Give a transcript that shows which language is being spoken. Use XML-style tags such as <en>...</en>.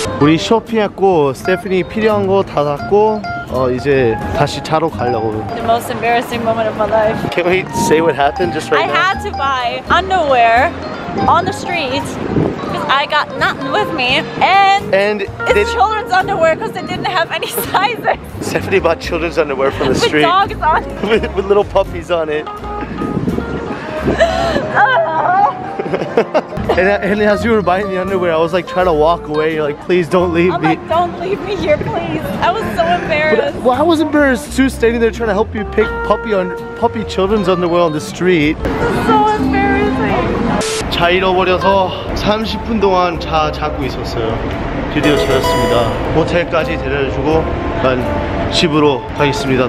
<ko>우리 쇼핑했고 스테파니 필요한 거 다 샀고 이제 다시 차로 가려고.</ko> <en>The most embarrassing moment of my life. Can we say what happened just right I now? I had to buy underwear on the street. I got nothing with me and it's children's underwear because they didn't have any sizes. Stephanie bought children's underwear from the street. With dogs on it. with little puppies on it. and as you were buying the underwear, I was like trying to walk away. You're like, please don't leave me. I'm like, don't leave me here, please. I was so embarrassed. But, well, I was embarrassed too, standing there trying to help you pick puppy children's underwear on the street. So embarrassing.</en> <ko>차 잃어버려서 30분 동안 차 찾고 있었어요. 드디어 찾았습니다. 모텔까지 데려다주고 난 집으로 가겠습니다.</ko>